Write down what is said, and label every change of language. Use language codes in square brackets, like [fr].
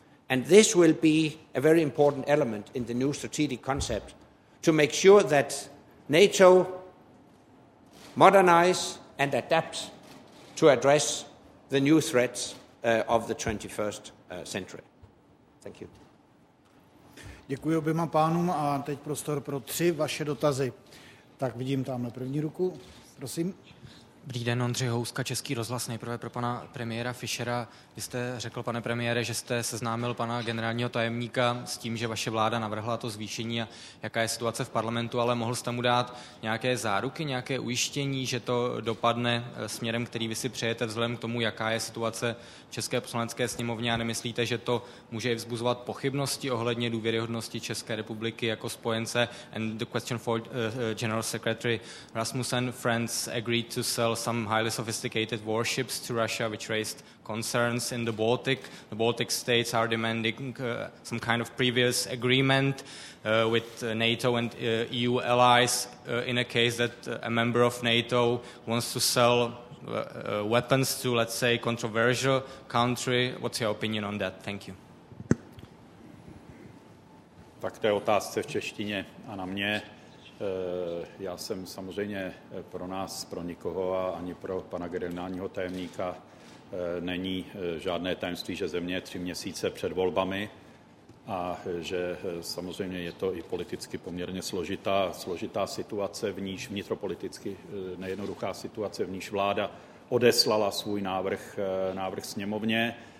[en] And this will be a very important element in the new strategic concept to make sure that NATO modernizes and adapts to address the new threats of the 21st century. Thank you. [cs] Děkuji oběma pánům a teď prostor pro tři vaše dotazy. Tak vidím tamhle první ruku. Prosím. Dobrý den, Ondřej Houska, Český rozhlas. Nejprve pro pana premiéra Fischera. Vy jste řekl, pane premiére, že jste seznámil pana generálního tajemníka s tím, že vaše vláda navrhla to zvýšení a jaká je situace v parlamentu, ale mohl jste mu dát nějaké záruky, nějaké ujištění, že to dopadne směrem, který vy si přejete vzhledem k tomu, jaká je situace v České poslanecké sněmovně, a nemyslíte, že to může i vzbuzovat pochybnosti ohledně důvěryhodnosti České republiky jako spojence? [en] And the question for General Secretary Rasmussen, friends agreed to sell some highly sophisticated warships to Russia, which raised concerns in the Baltic. The Baltic states are demanding some kind of previous agreement with NATO and EU allies in a case that a member of NATO wants to sell weapons to, let's say, controversial country. What's your opinion on that? Thank you. [cs] Tak to je otázce v češtině a na mě. Já jsem samozřejmě pro nás, pro nikoho a ani pro pana generálního tajemníka není žádné tajemství, že země je 3 měsíce před volbami a že samozřejmě je to i politicky poměrně složitá situace, v níž vnitropoliticky nejednoduchá situace, v níž vláda odeslala svůj návrh sněmovně.